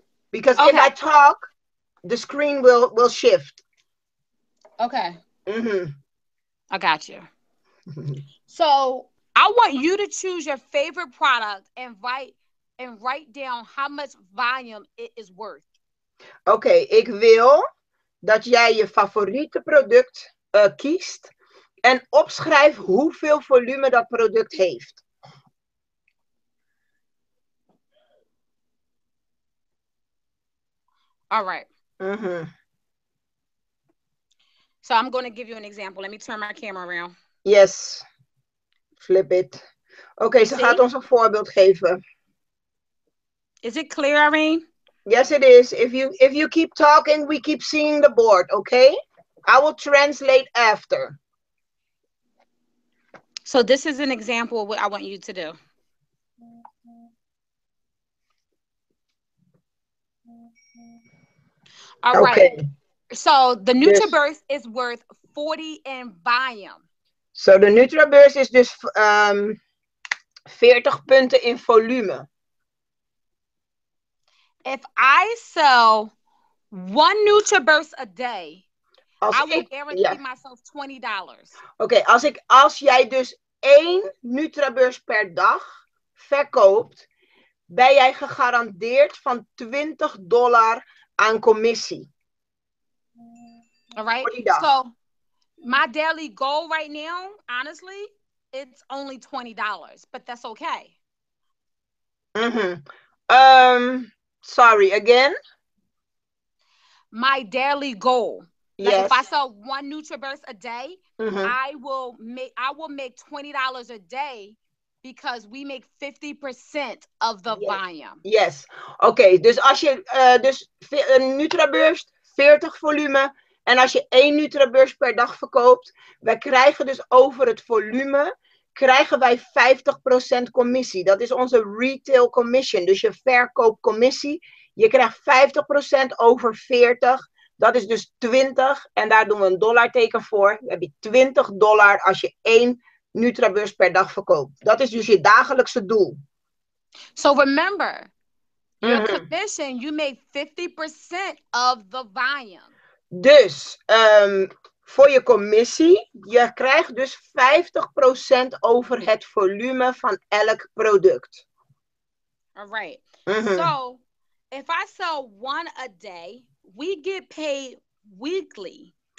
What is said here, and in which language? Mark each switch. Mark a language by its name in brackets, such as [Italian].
[English] Because okay. If I talk, the screen will shift. Okay. Mm-hmm. I got you. So I want you to choose your favorite product and write down how much volume it is worth. [Dutch] Okay, ik wil dat jij je favoriete product kiest. En opschrijf hoeveel volume dat product heeft. [English] All right. Mm-hmm. So I'm going to give you an example. Let me turn my camera around. Yes. Flip it. [Dutch] Okay, ze gaat ons een voorbeeld geven. [English] Is it clear, Irene? Yes, it is. If you keep talking, we keep seeing the board, okay? I will translate after. So this is an example of what I want you to do. All okay. Right. So the Nutriburst is worth 40 in volume. So the Nutriburst is just 40 punten in volume. If I sell one Nutriburst a day, I will guarantee myself $20. [Dutch] Okay, als jij dus één Nutriburst per dag verkoopt, ben jij gegarandeerd van $20 aan commissie. [English] All right. So, my daily goal right now, honestly, it's only $20, but that's okay. Mm-hmm. Sorry, again? My daily goal. Yes. Like if I sell one Nutriburst a day, mm-hmm. I will make $20 a day because we make 50% of the volume. Yes. [Dutch] Okay, dus als je een Nutriburst, 40 volume, en als je één Nutriburst per dag verkoopt, wij krijgen dus over het volume, krijgen wij 50% commissie. Dat is onze retail commission, dus je verkoopcommissie. Je krijgt 50% over 40, dat is dus 20. En daar doen we een dollarteken voor. Dan heb je $20 als je één Nutriburst per dag verkoopt. Dat is dus je dagelijkse doel. [English] So remember, your commission, you make 50% of the volume. [Dutch] Dus, voor je commissie, je krijgt dus 50% over het volume van elk product. [English] All right. Mm-hmm. So, if I sell one a day, we get paid weekly.